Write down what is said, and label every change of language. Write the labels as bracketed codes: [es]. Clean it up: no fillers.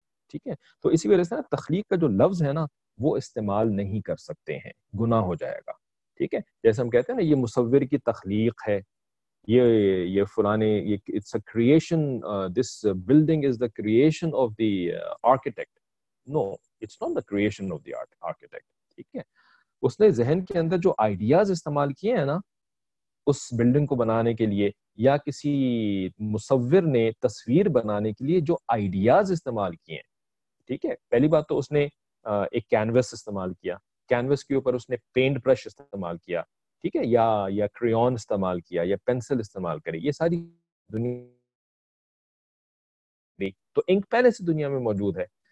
[ur] ٹھیک ہے, تو اسی وجہ سے نا تخلیق کا جو لفظ ہے نا وہ استعمال نہیں کر سکتے ہیں, گناہ ہو جائے گا. ٹھیک ہے, جیسے ہم کہتے ہیں نا یہ مصور کی تخلیق ہے, یہ فلانے, یہ [en] It's a creation, this building is the creation of the architect. No, it's not the creation of the architect. [ur] ٹھیک ہے, اس نے ذہن کے اندر جو آئیڈیاز استعمال کیے ہیں نا اس بلڈنگ کو بنانے کے لیے, یا کسی مصور نے تصویر بنانے کے لیے جو آئیڈیاز استعمال کیے ہیں, ٹھیک ہے, پہلی بات تو اس نے ایک کینوس استعمال کیا, کینوس کے اوپر اس نے پینٹ برش استعمال کیا, ٹھیک ہے, یا کریون استعمال کیا یا پینسل استعمال کرے, یہ ساری دنیا تو انک پہلے سے دنیا میں موجود ہے.